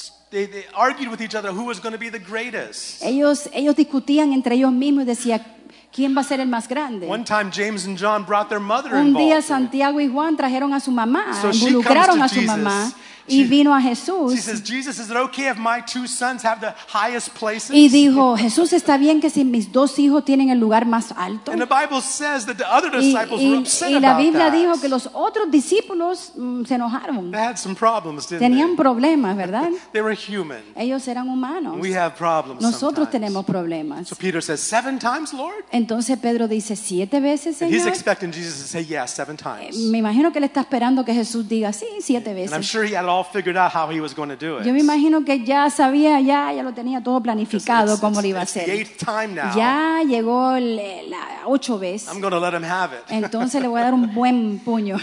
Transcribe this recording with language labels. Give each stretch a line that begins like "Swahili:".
English: They argued with each other who was going to be the greatest.
Spanish: Ellos discutían entre ellos mismos y decía quién va a ser el más grande.
English: One time James and John brought their mother involved.
Spanish: Un día Santiago y Juan trajeron a su mamá, involucraron a su mamá. Y vino a Jesús.
English: She says, Jesus, is it okay if my two sons have the highest places?
Spanish: Y dijo, Jesús, está bien que si mis dos hijos tienen el lugar más alto.
English: And the Bible says that the other disciples were upset about that.
Spanish: Y la Biblia dijo que los otros discípulos se enojaron.
English: They had some problems, didn't they?
Spanish: Tenían problemas, ¿verdad?
English: They were human.
Spanish: Ellos eran humanos.
English: We have problems.
Spanish: Nosotros
English: sometimes.
Spanish: Tenemos problemas.
English: So Peter says, seven times, Lord?
Spanish: Entonces Pedro dice siete veces, Señor.
English: And he's expecting Jesus to say yes, seven times.
Spanish: Me imagino que él está esperando que Jesús diga sí, siete veces.
English: And I'm sure he had all figured out how he was going to do it.
Spanish: Yo me imagino que ya sabía, ya lo tenía todo planificado cómo lo iba a hacer.
English: The eighth time now.
Spanish: Ya llegó la 8 veces.
English: I'm going to let him have it.
Spanish: Entonces le voy a dar un buen puño.